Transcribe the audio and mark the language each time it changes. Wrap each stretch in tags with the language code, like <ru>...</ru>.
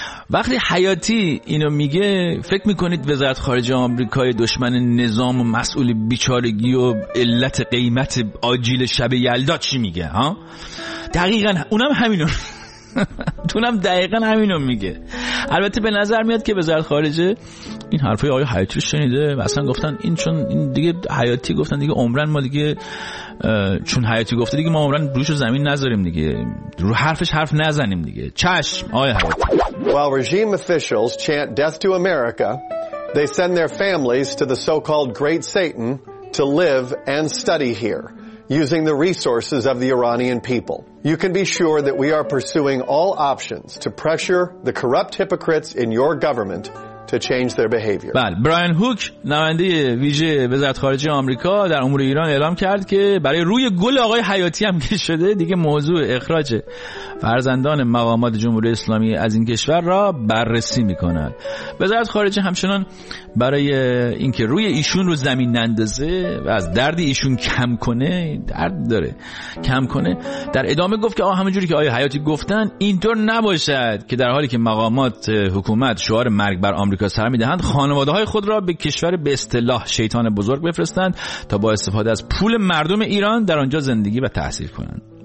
<fa>وقتی حیاتی اینو میگه فکر میکنید وزارت خارجه آمریکای دشمن نظام و مسئول بیچارگی و علت قیمت آجیل شب یلدا چی میگه؟ ها دقیقا اونم همینو تونم دقیقا همینو میگه. البته به نظر میاد که وزارت خارجه این حرفای آقای حیاتی رو شنیده و اصلا گفتن این چون این دیگه حیاتی گفتن دیگه عمرن ما دیگه چون حیاتی گفته دیگه ما عمرن روش رو زمین نذاریم دیگه، رو حرفش حرف نزنیم دیگه. چشم آقای حیاتی.</fa> <en>While regime officials chant death to America, they send their families to the so-called Great Satan to live and study here, using the resources of the Iranian people. You can be sure that we are pursuing all options to pressure the corrupt hypocrites in your government to change their behavior.</en> <fa>بله، براین هوک نماینده ویژه وزارت خارجه آمریکا در امور ایران اعلام کرد که برای روی گل آقای حیاتی هم که شده دیگه موضوع اخراج فرزندان مقامات جمهوری اسلامی از این کشور را بررسی می‌کند. وزارت خارجه همچنان برای اینکه روی ایشون رو زمین نندازه و از درد ایشون کم کنه، درد داره کم کنه، در ادامه گفت که همونجوری که آقای حیاتی گفتن اینطور نباشد که در حالی که مقامات حکومت شعار مرگ بر آمریکا سر می‌دهند، خانواده‌های خود را به کشور به اصطلاح شیطان بزرگ بفرستند تا با استفاده از پول مردم ایران در آنجا زندگی و تحصیل کنند.</fa>